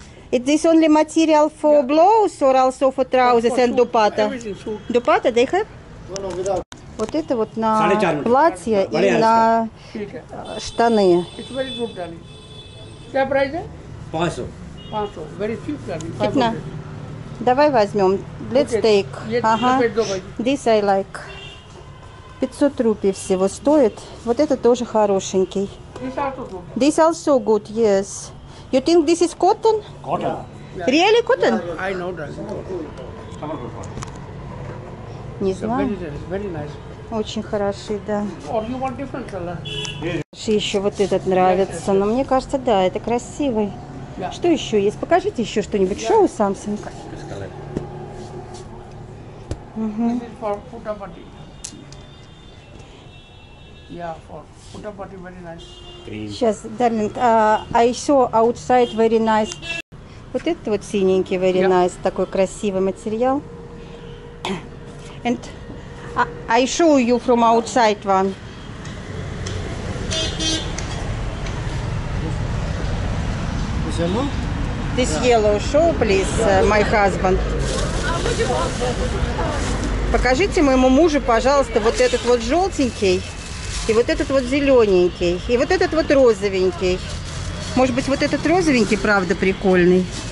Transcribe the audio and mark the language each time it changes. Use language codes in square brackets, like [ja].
[en] Is this only material for blouse or also for trousers and dupatta? Dupatta, they have? [ru] Вот это вот на платье и на штаны. [en] It's very good, darling. [ru] Что price? [en] 500. 500. Very cheap, darling. [ru] 500. Давай возьмем. [en] Let's take. [ru] Ага. [en] This I like. [ru] 500 рупий всего стоит. Вот это тоже хорошенький. [en] This also good. This also good, yes. You think this is cotton? Cotton. Yeah. Really cotton? Yeah, I know that. [ru] Не знаю. [en] Very nice, very nice. [ru] Очень хороши, да. [en] Or you want different color? Yes. [ru] Еще вот этот нравится, yes. Но мне кажется, да, это красивый. [en] Yeah. [ru] Что еще есть? Покажите еще что-нибудь. [en] Show us something. This is for Putapati. Yeah, for Putapati very nice. Green. [ru] Сейчас, darling, [en] I saw outside very nice. [ru] Вот это вот синенький [en] very nice, [ru] такой красивый материал. [en] And I show you from outside one. This yellow? This yellow, show please, my husband. [ru] Покажите моему мужу, пожалуйста, вот этот вот желтенький. И вот этот вот зелененький. И вот этот вот розовенький. Может быть, вот этот розовенький, правда, прикольный.